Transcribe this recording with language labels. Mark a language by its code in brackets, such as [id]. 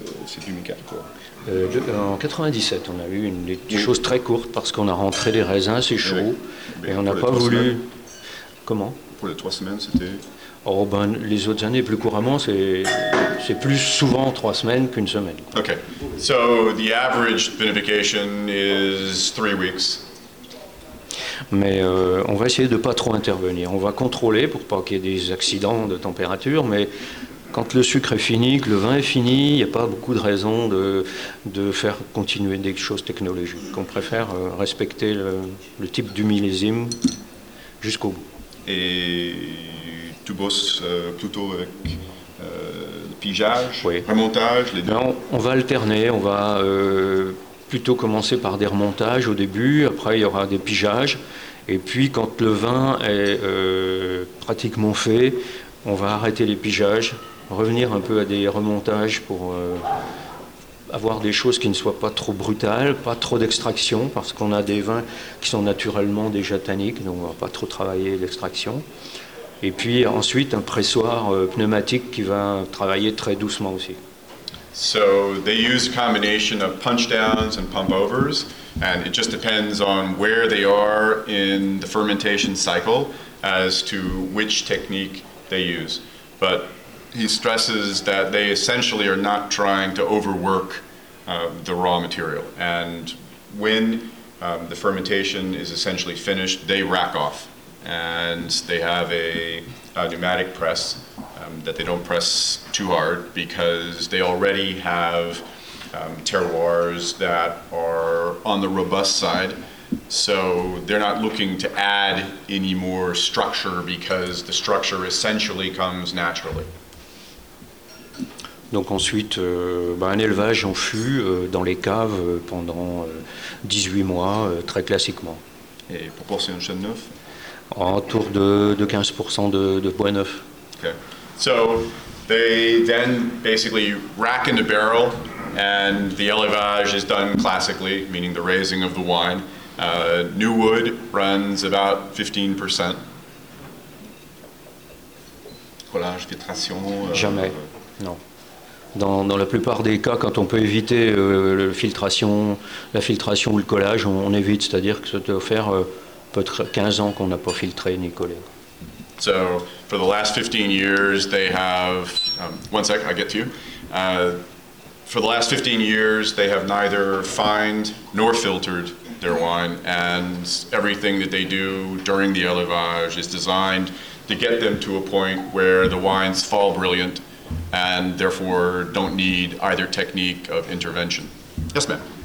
[fr] c'est 2004 quoi. En 97, on a eu des choses très courtes parce qu'on a rentré des raisins, c'est chaud, et on n'a pas voulu. Semaines. Comment? Pour les trois semaines, c'était. Oh ben, les autres années, plus couramment, c'est plus souvent trois semaines qu'une semaine. Quoi. [en] Okay, so the average vinification is 3 weeks. [fr] Mais on va essayer de ne pas trop intervenir. On va contrôler pour pas qu'il y ait des accidents de température, mais quand le sucre est fini, que le vin est fini, il n'y a pas beaucoup de raisons de faire continuer des choses technologiques. On préfère respecter le type du millésime jusqu'au bout. Et tu bosses plutôt avec le pigeage, oui. Remontage, les deux? Non, on va alterner, on va... plutôt commencer par des remontages au début, après il y aura des pigeages, et puis quand le vin est pratiquement fait, on va arrêter les pigeages, revenir un peu à des remontages pour avoir des choses qui ne soient pas trop brutales, pas trop d'extraction, parce qu'on a des vins qui sont naturellement déjà tanniques, donc on ne va pas trop travailler l'extraction. Et puis ensuite un pressoir pneumatique qui va travailler très doucement aussi. [en] So they use a combination of punch downs and pump overs, and it just depends on where they are in the fermentation cycle as to which technique they use. But he stresses that they essentially are not trying to overwork the raw material. And when the fermentation is essentially finished, they rack off and they have a pneumatic press. That they don't press too hard because they already have terroirs that are on the robust side, so they're not looking to add any more structure because the structure essentially comes naturally. [fr] Donc ensuite, un élevage en fût dans les caves pendant 18 mois, très classiquement. Et pour porter un chêne neuf? Autour de 15% de bois neuf. [en] Okay. So they then basically rack in the barrel, and the élevage is done classically, meaning the raising of the wine. New wood runs about 15%. [fr] Collage, filtration. Jamais, non. Dans la plupart des cas, quand on peut éviter la filtration ou le collage, on évite. C'est-à-dire que ça doit faire peut-être 15 ans qu'on n'a pas filtré ni collé. [en] So, for the last 15 years, they have, one sec, I'll get to you. For the last 15 years, they have neither fined nor filtered their wine, and everything that they do during the élevage is designed to get them to a point where the wines fall brilliant, and therefore don't need either technique of intervention. Yes, ma'am.